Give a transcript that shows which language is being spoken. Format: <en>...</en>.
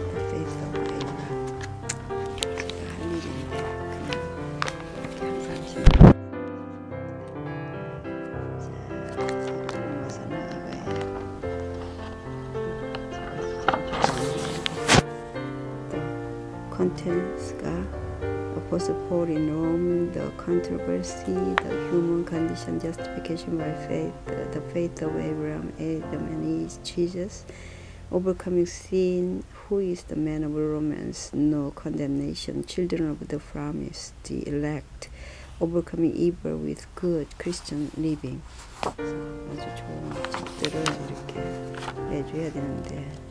<ko>페이스북 페이지가 제가 할 일인데 그냥 이렇게 항상</ko> <en>Contents가 Apostle Paul in Rome, the controversy, the human condition, justification by faith, the faith of Abraham, Adam, and Jesus, overcoming sin, who is the man of romance, no condemnation, children of the promise, the elect, overcoming evil with good Christian living.</en> <ko>So, 아주 좋은 책들을 이렇게 해줘야 되는데.</ko>